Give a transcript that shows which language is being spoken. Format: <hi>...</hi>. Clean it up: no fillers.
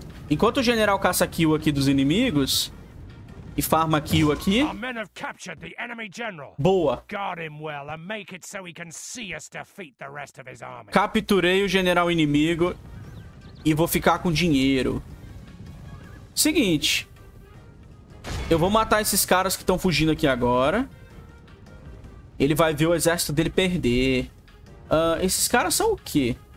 <pt>Enquanto o general caça kill aqui dos inimigos e farma kill aqui.</pt> <en>Our men have captured the enemy general.</en> <pt>Boa.</pt> <en>Guard him well and make it so he can see us defeat the rest of his army.</en> <pt>Capturei o general inimigo e vou ficar com dinheiro. Seguinte. Eu vou matar esses caras que estão fugindo aqui agora. Ele vai ver o exército dele perder. Esses caras são o quê?</pt>